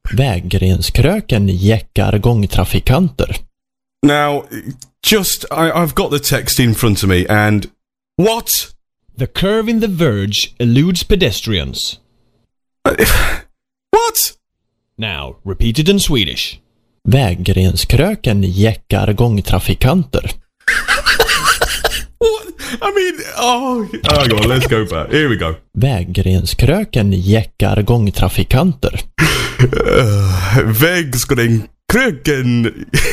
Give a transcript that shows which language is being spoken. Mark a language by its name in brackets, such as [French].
[Swedish] Väggrenskröken jäckar gångtrafikanter. [English] Now, just, I've got the text in front of me, and... What? The curve in the verge eludes pedestrians. What? Now, repeat it in Swedish. [Swedish] Väggrenskröken jäckar gångtrafikanter. [English] What? I mean, oh... Hang on, let's go back. Here we go. [Swedish] Väggrenskröken jäckar gångtrafikanter. Väggrenskröken...